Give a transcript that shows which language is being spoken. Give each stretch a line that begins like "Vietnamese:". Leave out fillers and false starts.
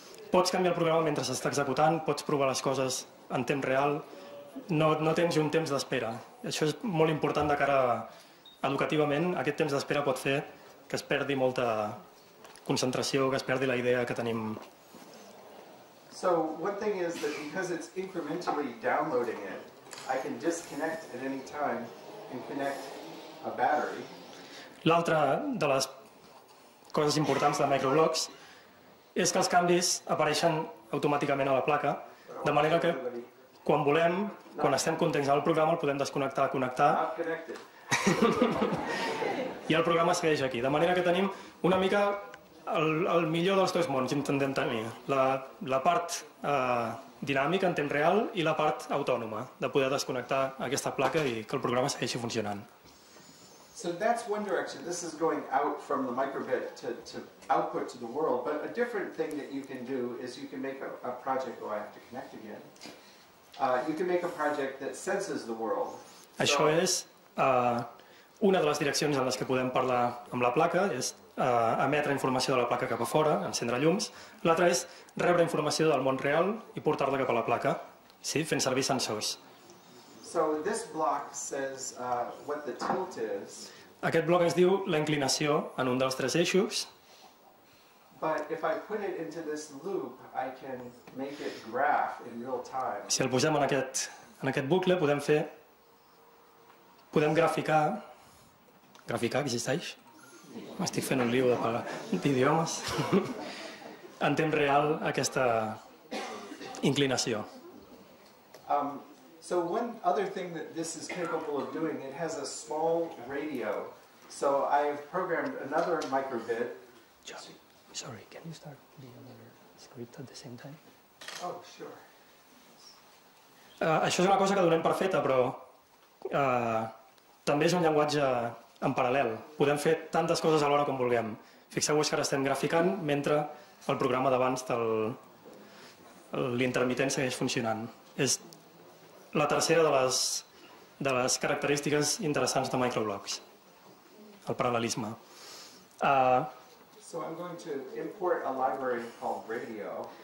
Catalan: Pots canviar el programa mentre s'està executant, pots provar les coses en temps real, no tens un temps d'espera. Això és molt important de cara educativament. Aquest temps d'espera pot fer que es perdi molta concentració, que es perdi la idea que tenim.
English: So one thing is that because it's incrementally downloading it, I can disconnect at any time and connect a battery.
Catalan: L'altra de les coses importants de microblocks és que els canvis apareixen automàticament a la placa, de manera que quan volem, quan estem contents amb el programa, el podem desconnectar, connectar. I el programa segueix aquí, de manera que tenim una mica el millor dels dos mons, intentem tenir la part dinàmic en temps real i la part autònoma, de poder desconnectar aquesta placa i que el programa segueixi funcionant.
English: So that's one direction. This is going out from the microbit to output to the world, but a different thing that you can do is you can make a project, oh, I have to connect again. You can make a project that senses the world.
Catalan: Això és una de les direccions en les que podem parlar amb la placa, és emetre informació de la placa cap a fora, encendre llums. L'altra és rebre informació del món real i portar-la cap a la placa, sí, fent servir sensors.
English: So this block says what the tilt is.
Catalan: Aquest bloc ens diu la inclinació en un dels tres eixos.
English: But if I put it into this loop, I can make it graph in real time.
Catalan: Si el posem en aquest bucle, podem graficar. Graficar, existeix? M'estic fent un lío d'idiomes. En temps real, aquesta inclinació.
English: So one other thing that this is capable of doing, it has a small radio. So I've programmed another microbit. Johnny, sorry, can you start the other script at the same time? Oh, sure.
Catalan: Això és una cosa que donem per feta, però també és un llenguatge en paral·lel. Podem fer tantes coses alhora com vulguem. Fixeu-vos que ara estem graficant mentre el programa d'abans de l'intermitent segueix funcionant. És la tercera de les característiques interessants de microblocks, el paral·lelisme.
English: So I'm going to import a library called Radio.